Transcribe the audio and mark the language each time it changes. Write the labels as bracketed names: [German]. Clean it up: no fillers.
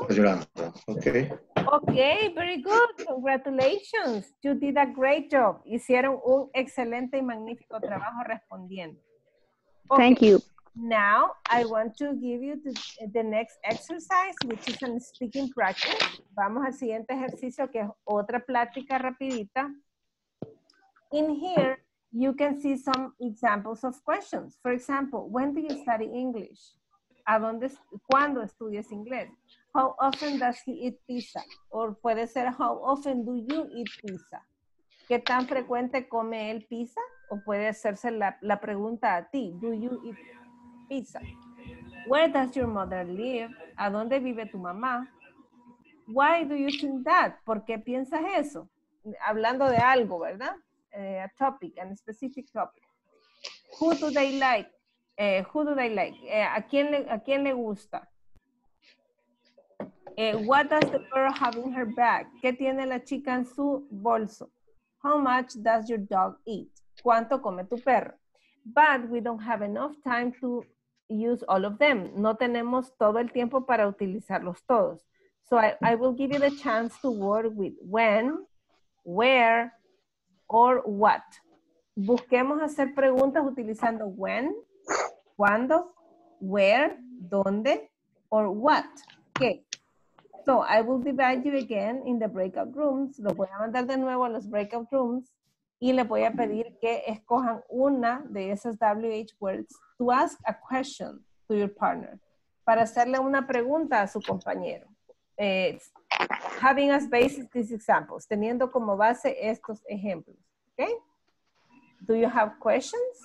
[Spanish] Está llorando. Okay. [English] Okay, very good. Congratulations. You did a great job. [Spanish] Hicieron un excelente y magnífico trabajo respondiendo. [English] Okay. Thank you. Now, I want to give you the next exercise, which is a speaking practice. [Spanish] Vamos al siguiente ejercicio, que es otra plática rapidita. [English] In here, you can see some examples of questions. For example, when do you study English? [Spanish] ¿A dónde, cuándo estudias inglés? [English] How often does he eat pizza? Or [Spanish] puede ser, [English] how often do you eat pizza? [Spanish] ¿Qué tan frecuente come él pizza? O puede hacerse la pregunta a ti, [English] do you eat pizza? Where does your mother live? [Spanish] ¿A dónde vive tu mamá? [English] Why do you think that? [Spanish] ¿Por qué piensas eso? Hablando de algo, ¿verdad? [English] A topic, a specific topic. Who do they like? [Spanish] ¿A quién le gusta? [English] What does the girl have in her bag? [Spanish] ¿Qué tiene la chica en su bolso? [English] How much does your dog eat? [Spanish] ¿Cuánto come tu perro? [English] But we don't have enough time to use all of them. [Spanish] No tenemos todo el tiempo para utilizarlos todos. [English] So I will give you the chance to work with when, where, or what. [Spanish] Busquemos hacer preguntas utilizando when, cuando, where, donde, or what. Okay. [English] So I will divide you again in the breakout rooms. [Spanish] Lo voy a mandar de nuevo a los breakout rooms y le voy a pedir que escojan una de esas WH words [English] to ask a question to your partner, [Spanish] para hacerle una pregunta a su compañero. [English] Having as basis these examples, [Spanish] teniendo como base estos ejemplos. [English] Okay? Do you have questions?